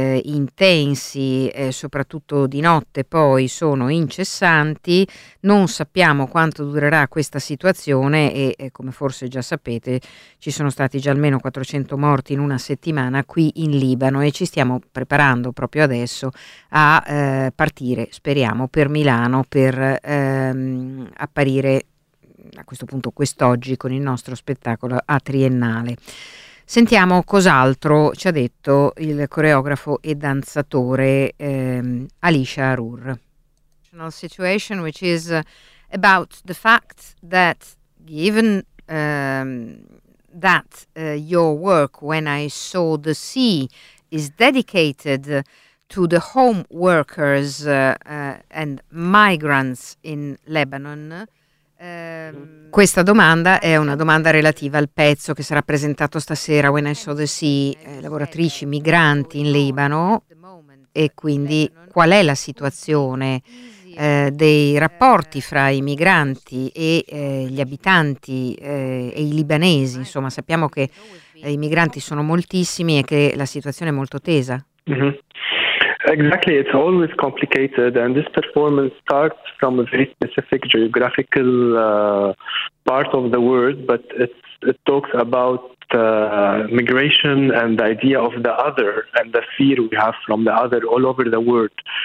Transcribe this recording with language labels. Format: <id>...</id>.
<it>intensi, soprattutto di notte, poi sono incessanti, non sappiamo quanto durerà questa situazione e come forse già sapete ci sono stati già almeno 400 morti in una settimana qui in Libano e ci stiamo preparando proprio adesso a partire, speriamo, per Milano per apparire a questo punto quest'oggi con il nostro spettacolo a Triennale. Sentiamo cos'altro ci ha detto il coreografo e danzatore Ali Shaharour.</it> <en>Situation which is about the fact that given that your work When I Saw the Sea is dedicated to the home workers and migrants in Lebanon.</en> <it>Questa domanda è una domanda relativa al pezzo che sarà presentato stasera, When I Saw the Sea, lavoratrici migranti in Libano. e quindi qual è la situazione dei rapporti fra i migranti e gli abitanti e i libanesi? Insomma, sappiamo che i migranti sono moltissimi e che la situazione è molto tesa.</it> <en>Exactly, it's always complicated, and this performance starts from a very specific geographical part of the world, but it talks about migration and the idea of the other and the fear we have from the other all over the world.</en>